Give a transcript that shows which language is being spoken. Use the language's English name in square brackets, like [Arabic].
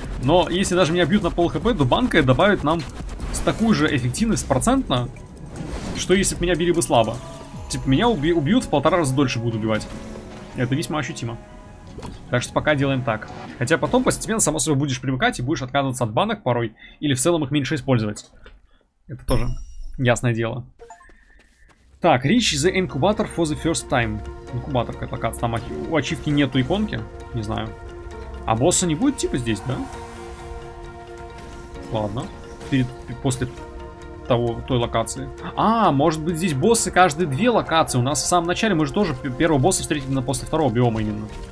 [Russian] Но если даже меня бьют на пол хп, то банка добавит нам с такую же эффективность процентно, что если бы меня били бы слабо. Типа, меня убьют в полтора раза дольше будут убивать. Это весьма ощутимо. Так что пока делаем так. Хотя потом постепенно, само собой, будешь привыкать и будешь отказываться от банок порой. Или в целом их меньше использовать. Это тоже ясное дело. Так, [English] reach the incubator for the first time. [Russian] Инкубатор, как локация. Там у ачивки нету иконки. Не знаю. А босса не будет типа здесь, да? Ладно. После того, той локации. А, может быть здесь боссы каждые две локации. У нас в самом начале мы же тоже первого босса встретили на после второго биома именно.